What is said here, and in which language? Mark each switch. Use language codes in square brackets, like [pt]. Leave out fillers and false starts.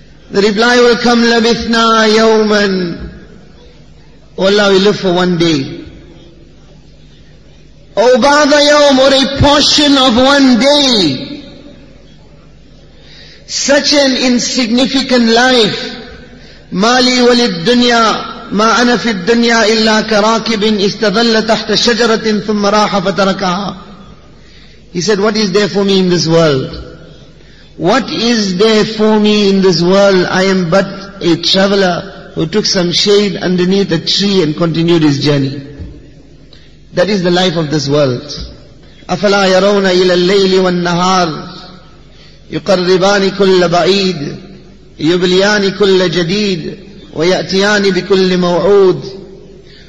[en] The reply will come, [ar] لَبِثْنَا يَوْمًا. [en] O Allah, we live for one day. [ar] أو بعض يوم, [en] or a portion of one day. Such an insignificant life. [ar] مالي وللدنيا ما أنا في الدنيا إلا كراكب استظل تحت شجرة ثم راح فتركها. [en] He said, what is there for me in this world? What is there for me in this world? I am but a traveler who took some shade underneath a tree and continued his journey. That is the life of this world. [ar] أَفَلَا يَرَوْنَ إِلَى اللَّيْلِ وَالنَّهَارِ يُقَرِّبَانِ كُلَّ بَعِيدِ يُبْلِيَانِ كُلَّ جَدِيدِ وَيَأْتِيَانِ بِكُلِّ مَوْعُودِ.